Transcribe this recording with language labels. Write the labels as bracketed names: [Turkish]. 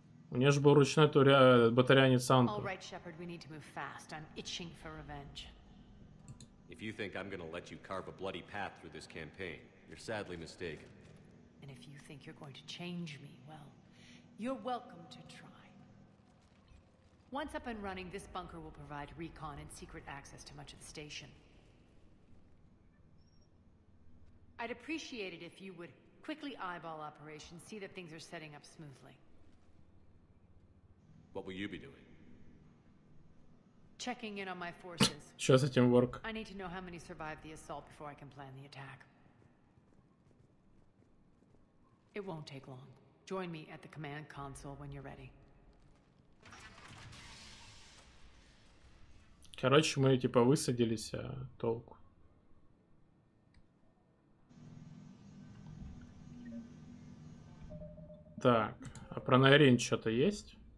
[Russian] У нее же был ручной батарянец Анто. [English] All right, Shepard, we need to move fast. I'm itching for revenge. If you think I'm going to let you carve a bloody path through this campaign, you're sadly mistaken. And if you think you're going to change me, well, you're welcome to try. Once up and running, this bunker will provide recon and secret access to much of the station. I'd appreciate it if you would quickly eyeball operations, see that things are setting up smoothly. What will you be doing? Checking in on my forces. [Russian] Что с этим [English] work? I need to know how many survived the assault before I can plan the attack. It won't take long. Join me at the command console when you're ready. [Russian] Короче, мы типа высадились, а толку. Так, а про Найрин что-то есть?